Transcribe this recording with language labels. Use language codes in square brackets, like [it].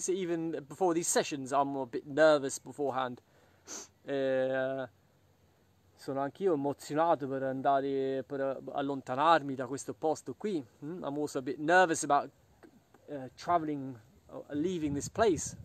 [en] So even before these sessions I'm a bit nervous beforehand. [it] Sono anch'io emozionato per andare, per allontanarmi da questo posto qui. [en] I'm also a bit nervous about traveling, leaving this place.